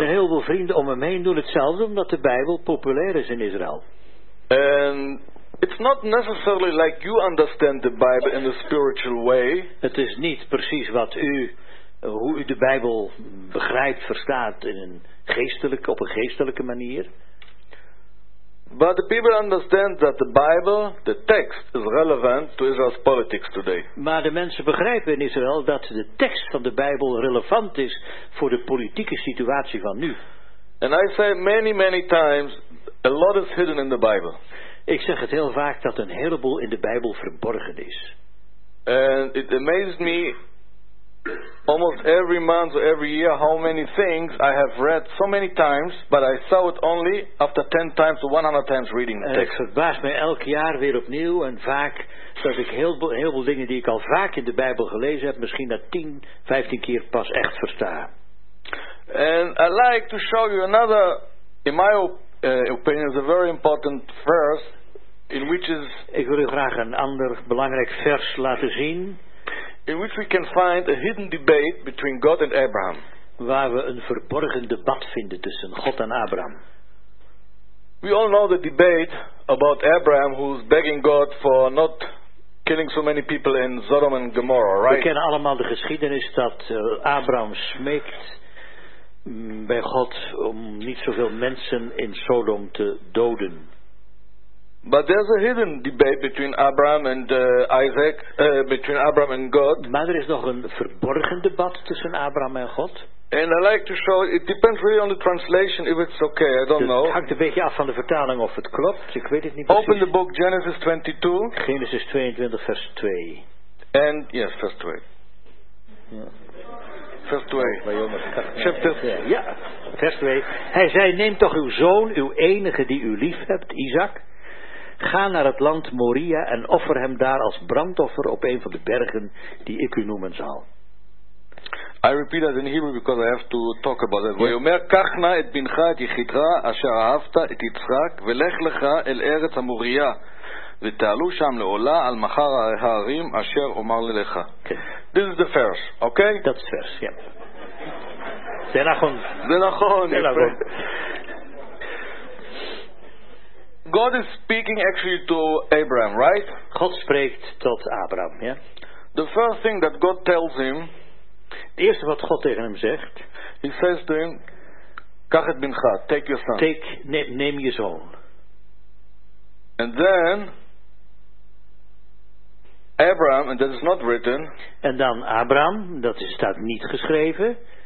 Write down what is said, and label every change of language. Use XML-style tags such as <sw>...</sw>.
<nl>En heel veel vrienden om hem heen doen hetzelfde omdat de Bijbel populair is in Israël.</nl> <en>And it's not necessarily like you understand the Bible in a spiritual way.</en> <nl>Het is niet precies wat u hoe u de Bijbel begrijpt, verstaat in een geestelijke op een geestelijke manier.</nl> <en>But the people understand that the Bible, the text, is relevant to Israel's politics today.</en> <nl>Maar de mensen begrijpen in Israël dat de tekst van de Bijbel relevant is voor de politieke situatie van nu.</nl> <en>And I say many, many times, a lot is hidden in the Bible.</en> <nl>Ik zeg het heel vaak dat een heleboel in de Bijbel verborgen is.</nl> <en>And it amazed me almost every month or every year how many things I have read so many times, but I saw it only after 10 times or 100 times reading the text.</en> <nl>Het verbaast mij elk jaar weer opnieuw en vaak dat ik heel veel dingen die ik al vaak in de Bijbel gelezen heb misschien dat 10, 15 keer pas echt versta.</nl> <en>And I like to show you another, in my opinion, is a very important verse in which is,</en> <nl>ik wil u graag een ander belangrijk vers laten zien,</nl> <en>in which we can find a hidden debate between God and Abraham.</en> <nl>Waar we een verborgen debat vinden tussen God en Abraham.</nl> <en>We all know the debate about Abraham who's begging God for not killing so many people in Sodom and Gomorrah, right?</en> <nl>We kennen allemaal de geschiedenis dat Abraham smeekt bij God om niet zoveel mensen in Sodom te doden.</nl> <en>But there's a hidden debate between Abraham and Isaac, between Abraham and God.</en> <nl>Maar er is nog een verborgen debat tussen Abraham en God.</nl> <en>And I like to show, it depends really on the translation, if it's okay, I don't know.</en> <nl>Het hangt een beetje af van de vertaling of het klopt, ik weet het niet precies.</nl> <en>Open the book Genesis 22.</en> <nl>Genesis 22, vers 2.</nl> <en>And, yes, vers 2.</en> <nl>Vers 2.</nl> <en>Chapter 2.</en> <nl>Ja, vers 2. Hij zei, neem toch uw zoon, uw enige die u lief hebt, Isaac. Ga naar het land Moria en offer hem daar als brandoffer op een van de bergen die ik u noemen zal.</nl> <en>I repeat that in Hebrew because I have to talk about it.</en> <he>Vayomer kachna et bincha et yichidra asher ahavta et Yitzhak velech lecha el eretz ha-Moria ותעלו שם לעולה על מחר ההרים אשר אומר לך.</he> <en>This is the first, okay? That's first, yeah.</en> <he>זה נכון. זה נכון.</he> <en>God is speaking actually to Abraham, right?</en> <nl>God spreekt tot Abraham, ja.</nl> <en>Yeah? The first thing that God tells him,</en> <nl>het eerste wat God tegen hem zegt,</nl> <en>he says to him,</en> <he>kach et bincha,</he> <en>take your son.</en> <nl>Neem je zoon.</nl> <en>And then Abraham, and that is not written.</en> <nl>En dan Abraham, dat staat niet geschreven,</nl>